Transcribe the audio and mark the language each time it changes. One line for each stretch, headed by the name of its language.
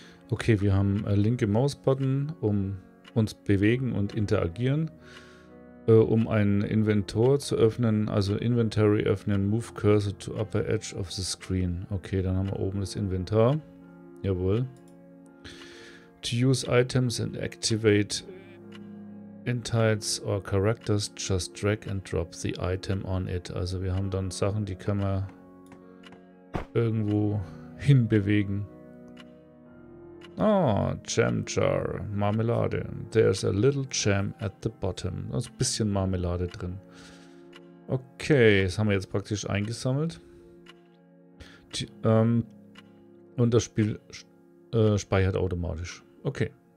German: Okay, wir haben linke Mausbutton, um uns bewegen und interagieren. Um ein Inventor zu öffnen, also Inventory öffnen, Move Cursor to Upper Edge of the Screen. Okay, dann haben wir oben das Inventar. Jawohl.
English: To use items and activate entities or characters, just drag and drop the item on it.
German: Also wir haben dann Sachen, die können wir irgendwo hinbewegen.
English: Oh, Jam Jar, Marmelade. There's a little jam at the bottom.
German: Da ist ein bisschen Marmelade drin. Okay, das haben wir jetzt praktisch eingesammelt. Und das Spiel speichert automatisch. Okay.